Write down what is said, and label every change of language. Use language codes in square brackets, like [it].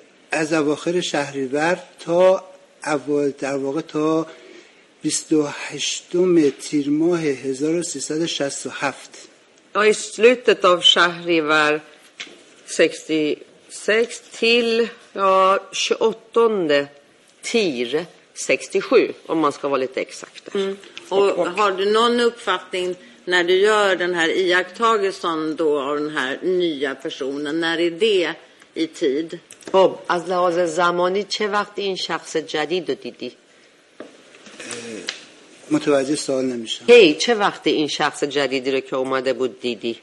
[fa] از اواخر شهریور تا اول در واقع تا 28 tir ماه 1367. [sv] Och i slutet av Shahrivar 66 till 28 tir 67 om man ska vara lite exakt där. Och har du någon uppfattning när du gör den här iakttagelsen då av den här nya personen, när är det i tid? [fa] خب از لحاظ زمانی چه وقت این شخص جدید رو دیدی؟ متوجه سوال نمیشم. هی چه وقت این شخص جدیدی رو که اومده بود دیدی؟